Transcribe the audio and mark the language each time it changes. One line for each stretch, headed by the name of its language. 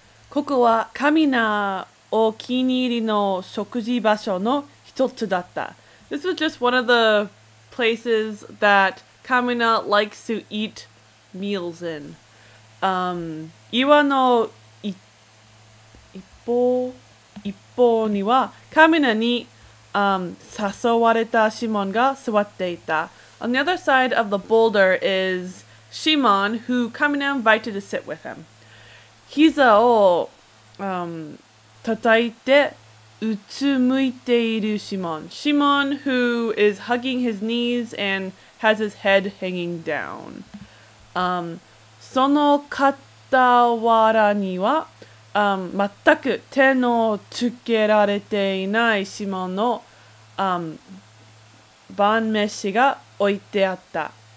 Japanese: ここは神なお気に入りの食事場所の一つだった。
English: This was just one of the places that Kamina likes to eat meals in.
Japanese: 岩の一方には、Kamina に誘われたシモンが座っていた。
English: On the other side of the boulder is Shimon, who Kamina invited to sit with him.
Japanese: 膝を叩いてうつむいているシモン。
English: シモン who is hugging his knees and has his head hanging down.
Japanese: その傍らには全く手のつけられていないシモンの晩飯が置いてあった。